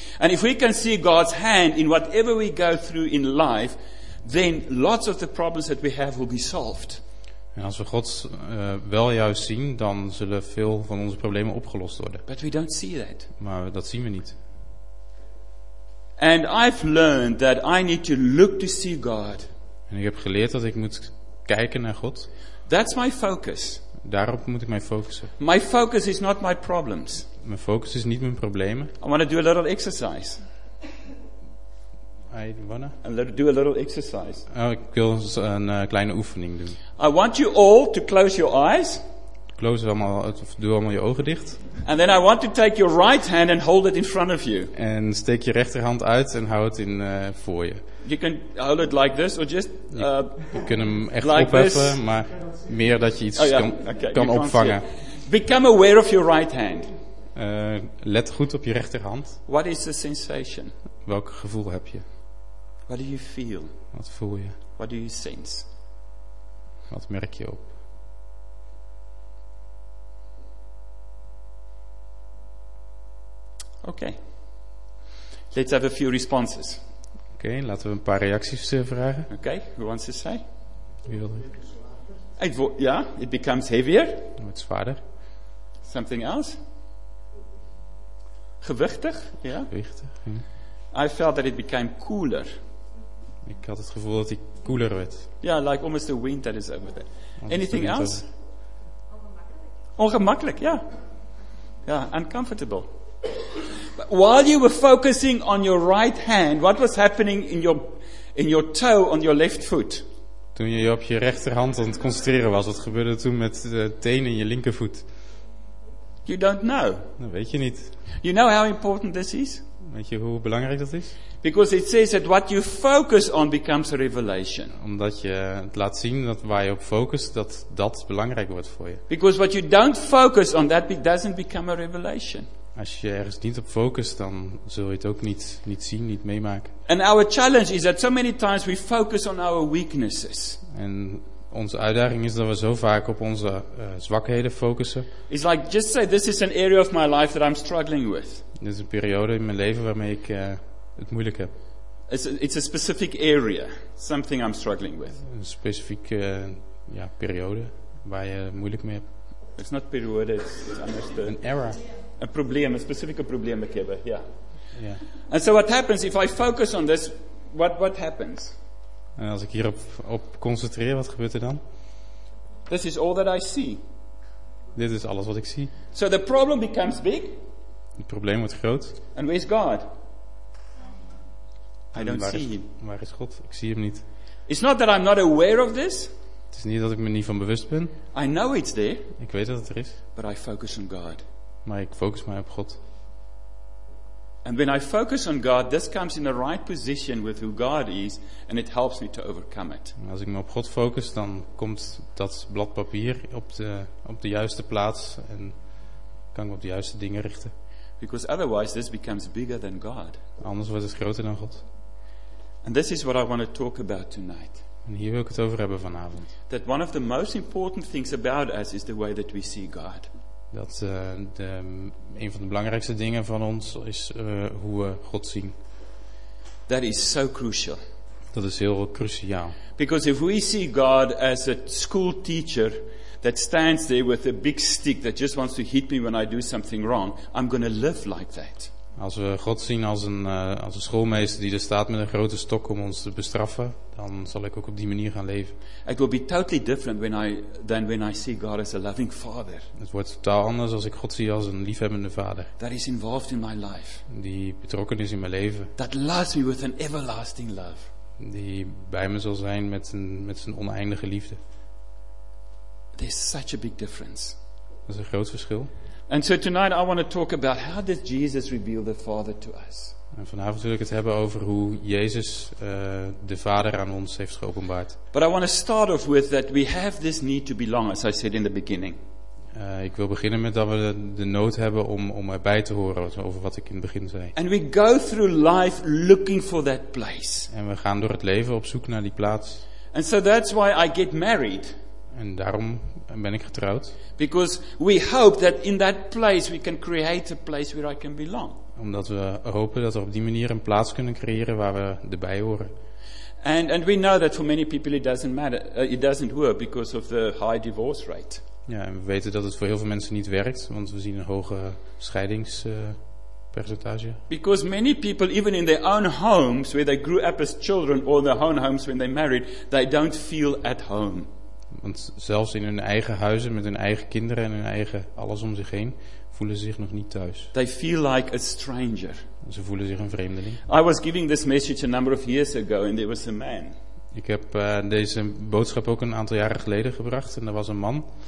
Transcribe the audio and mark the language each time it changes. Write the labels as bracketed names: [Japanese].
[English] And if we can see God's hand in whatever we go through in life, then lots of the problems that we have will be solved. [Dutch] En als we God wel juist zien, dan zullen veel van onze problemen opgelost worden. [English] But we don't see that. [Dutch] Maar dat zien we niet. [English] And I've learned that I need to look to see God. [Dutch] En ik heb geleerd dat ik moet kijken naar God. [English] That's my focus. [Dutch] Daarop moet ik mij focussen. [English] My focus is not my problems. [Dutch] Mijn focus is niet mijn problemen. [English] I want to do a little exercise. I wanna do a little exercise. [Dutch] Oh, ik wil eens een kleine oefening doen. [English] I want you all to close your eyes. [Dutch] Close allemaal, of doe allemaal je ogen dicht. [English] And then I want to take your right hand and hold it in front of you. [Dutch] En steek je rechterhand uit en hou het in voor je. [English] You can hold it like this or just. [Dutch] Je kunt hem echt like opheffen, this. Maar meer dat je iets kan opvangen. [English] Become aware of your right hand. [Dutch] Let goed op je rechterhand. [English] What is the sensation? [Dutch] Welk gevoel heb je? [English] What do you feel? [Dutch] Wat voel je? [English] What do you sense? [Dutch] Wat merk je op? [English] Oké. Let's have a few responses. [Dutch] Oké, laten we een paar reacties vragen. [English] Oké, who wants to say? [Dutch] Wie wil [English] het? Ja, it becomes heavier. [Dutch] Het wordt zwaarder. [English] Something else? [Dutch] Gewichtig, ja. Gewichtig, ja. [English] I felt that it became cooler. [Dutch] Ik had het gevoel dat hij cooler werd. [English] Ja, yeah, like almost the wind that is over there. Anything else? [Dutch] Ongemakkelijk. Ongemakkelijk, ja. [English] Yeah. Ja, yeah, uncomfortable. But while you were focusing on your right hand, what was happening in your toe on your left foot? [Dutch] Toen je op je rechterhand aan het concentreren was, wat gebeurde toen met de tenen in je linkervoet? [English] You don't know. [Dutch] Dat weet je niet. [English] You know how important this is? [Dutch] Weet je hoe belangrijk dat is? [English] Because it says that what you focus on becomes a revelation. [Dutch] Omdat je het laat zien dat waar je op focust, dat dat belangrijk wordt voor je. [English] Because what you don't focus on, that doesn't become a revelation. [Dutch] Als je ergens niet op focust, dan zul je het ook niet zien, niet meemaken. [English] And our challenge is that so many times we focus on our weaknesses. [Dutch] En onze uitdaging is dat we zo vaak op onze zwakheden focussen. [English] It's like just say this is an area of my life that I'm struggling with. [Dutch] Dit is een periode in mijn leven waarmee ik het moeilijk heb. [English] It's a specific area, something I'm struggling with. [Dutch] Een specifieke periode waar je moeilijk mee hebt. [English] It's not periode, it's understood. An error. [Dutch] Een probleem, een specifieke probleem ik heb. Ja. [English] Yeah. And so what happens if I focus on this? What happens? [Dutch] En als ik hierop op concentreer, wat gebeurt er dan? [English] This is all that I see. [Dutch] Dit is alles wat ik zie. [English] So the problem becomes big. [Dutch] Het probleem wordt groot. [English] And where is God? I don't see him. [Dutch] Waar is God? Ik zie hem niet. [English] It's not that I'm not aware of this. [Dutch] Het is niet dat ik me niet van bewust ben. [English] I know it's there. [Dutch] Ik weet dat het er is. [English] But I focus on God. [Dutch] Maar ik focus mij op God. [English] And when I focus on God, this comes in the right position with who God is, and it helps me to overcome it. [Dutch] Als ik me op God focus, dan komt dat blad papier op de juiste plaats en kan ik me op de juiste dingen richten. [English] Because otherwise this becomes bigger than God. [Dutch] Anders wordt het groter dan God. [English] And this is what I want to talk about tonight. [Dutch] En hier wil ik het over hebben vanavond. [English] That one of the most important things about us is the way that we see God. [Dutch] Dat een van de belangrijkste dingen van ons is hoe we God zien. [English] That is so crucial. [Dutch] Dat is heel cruciaal. [English] Because if we see God as a school teacher that stands there with a big stick that just wants to hit me when I do something wrong, I'm going to live like that. [Dutch] Als we God zien als een schoolmeester die er staat met een grote stok om ons te bestraffen, dan zal ik ook op die manier gaan leven. [English] It will be totally different than when I see God as a loving father. [Dutch] Het wordt totaal anders als ik God zie als een liefhebbende vader. [English] That is involved in my life. [Dutch] Die betrokken is in mijn leven. [English] That loves me with an everlasting love. [Dutch] Die bij me zal zijn met zijn oneindige liefde. [English] There's such a big difference. [Dutch] Dat is een groot verschil. [English] And so tonight I want to talk about how did Jesus reveal the Father to us. [Dutch] En vanavond wil ik het hebben over hoe Jezus de Vader aan ons heeft geopenbaard. [English] But I want to start off with that we have this need to belong, as I said in the beginning. [Dutch] Ik wil beginnen met dat we de nood hebben om erbij te horen over wat ik in het begin zei. [English] And we go through life looking for that place. [Dutch] En we gaan door het leven op zoek naar die plaats. [English] And so that's why I get married. [Dutch] En daarom ben ik getrouwd. [English] Because we hope that in that place we can create a place where I can belong. [Dutch] Omdat we hopen dat we op die manier een plaats kunnen creëren waar we erbij horen. [English] And we know that for many people it doesn't matter. It doesn't work because of the high divorce rate. [Dutch] Ja, en we weten dat het voor heel veel mensen niet werkt, want we zien een hoge scheidingspercentage. [English] Because many people even in their own homes where they grew up as children or their own homes when they married, they don't feel at home. [Dutch] Want zelfs in hun eigen huizen met hun eigen kinderen en hun eigen alles om zich heen voelen ze zich nog niet thuis. [English] They feel like a stranger. [Dutch] Ze voelen zich een vreemdeling. [English] I was giving this message a number of years ago and there was a man. [Dutch] Ik heb deze boodschap ook een aantal jaren geleden gebracht en er was een man.